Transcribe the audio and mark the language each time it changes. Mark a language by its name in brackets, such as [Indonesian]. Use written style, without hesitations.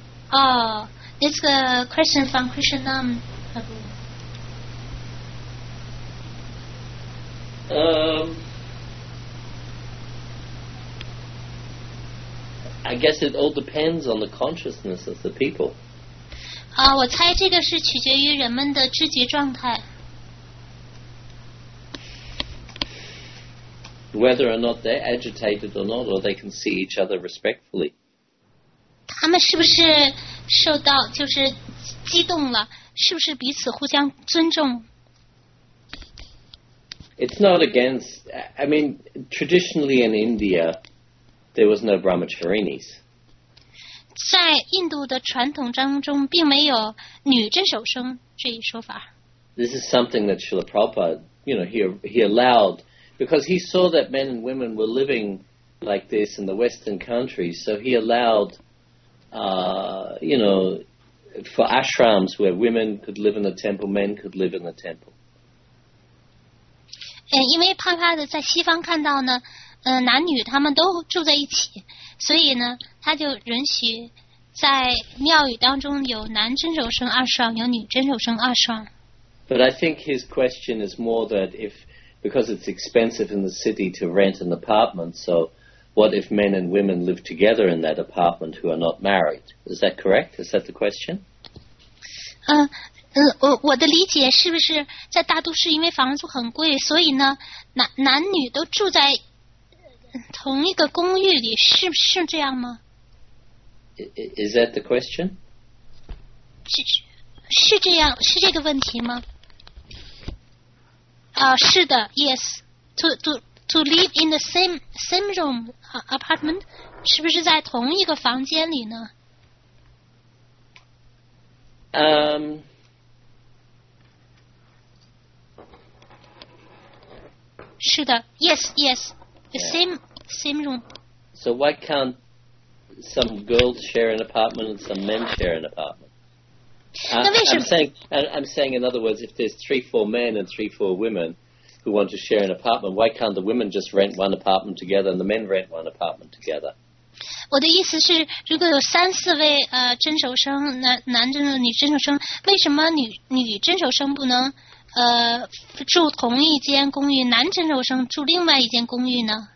[English] 哦、oh, it's a question from Krishna Nam Prabhu. I guess it all depends on the consciousness of the people. [Chinese] 啊、我猜这个是取决于人们的知觉状态。 [English] Whether or not they're agitated or not, or they can see each other respectfully. [Chinese] 他们是不是受到就是激动了？是不是彼此互相尊重 [English] ？It's not against. I mean, traditionally in India, there was no brahmacharinis. [Chinese] 在印度的传统当中，并没有女真守生这一说法。 [English] This is something that Srila Prabhupada, you know, he allowed. Because he saw that men and women were living like this in the Western countries, so he allowed, you know, for ashrams where women could live in the temple, men could live in the temple. [Chinese] 因为帕帕的在西方看到呢，男女他们都住在一起，所以呢，他就允许在庙宇当中有男真守生ashram，有女真守生ashram。 [English] But I think his question is more that if. Because it's expensive in the city to rent an apartment, so what if men and women live together in that apartment who are not married? Is that correct? Is that the question? [Chinese] 我的理解是不是在大都市因为房租很贵，所以呢，男女都住在同一个公寓里，是这样吗？ [English] Is that the question? [Chinese] 是这样，是这个问题吗？是的 [English] ，yes. To live in the same room apartment, [Chinese] 是不是在同一个房间里呢 是的 [English] ，yes. The same room. So why can't some girls share an apartment and some men share an apartment? I'm saying, in other words, if there's 3-4 men and 3-4 women who want to share an apartment, why can't the women just rent one apartment together and the men rent one apartment together? [Chinese] 我的意思是，如果有三四位真守生，男真的女真守生，为什么女真守生不能住同一间公寓，男真守生住另外一间公寓呢？